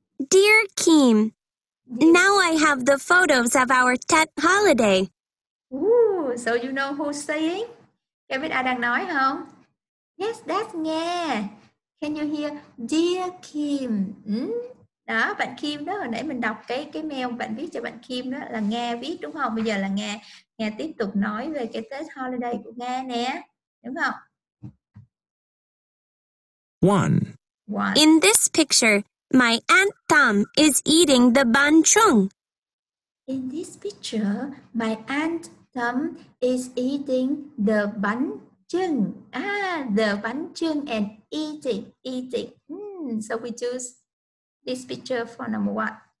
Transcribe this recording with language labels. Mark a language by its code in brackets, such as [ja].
[en] Dear Kim, now I have the photos of our Tết holiday. Ooh, so you know who's saying? [vi] Em biết ai đang nói không? [en] Yes, that's Nga. Can you hear? Dear Kim. [vi] Đó, bạn Kim đó, hồi nãy mình đọc cái mail bạn viết cho bạn Kim đó là Nga viết đúng không? Bây giờ là Nga tiếp tục nói về cái Tết holiday của Nga nè. Đúng không? [en] One. In this picture, my Aunt Tom is eating the bánh chưng. In this picture, my Aunt Tom is eating the bánh chưng. The bánh chưng and eating. So we choose this picture for number one.